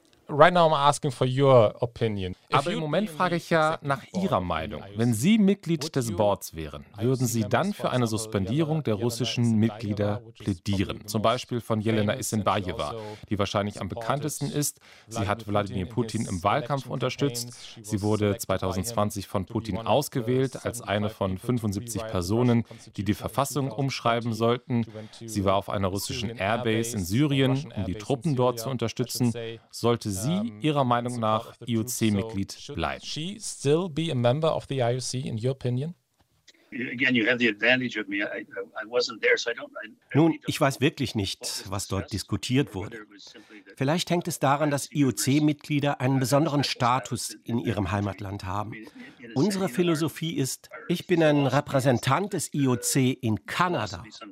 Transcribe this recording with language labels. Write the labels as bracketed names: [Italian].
[English] Right now I'm asking for your opinion. [German] Aber im Moment frage ich ja nach Ihrer Meinung. Wenn Sie Mitglied des Boards wären, würden Sie dann für eine Suspendierung der russischen Mitglieder plädieren? Zum Beispiel von Jelena Isinbajewa, die wahrscheinlich am bekanntesten ist. Sie hat Wladimir Putin im Wahlkampf unterstützt. Sie wurde 2020 von Putin ausgewählt als eine von 75 Personen, die die Verfassung umschreiben sollten. Sie war auf einer russischen Airbase in Syrien, um die Truppen dort zu unterstützen. Sollte sie Ihrer Meinung nach IOC-Mitglied bleiben? [English] She still be a member of the IOC in your opinion? Again, you have the advantage of me. I wasn't there, so I don't. [German] Nun, ich weiß wirklich nicht, was dort diskutiert wurde. Vielleicht hängt es daran, dass IOC-Mitglieder einen besonderen Status in ihrem Heimatland haben. Unsere Philosophie ist: Ich bin ein Repräsentant des IOC in Kanada.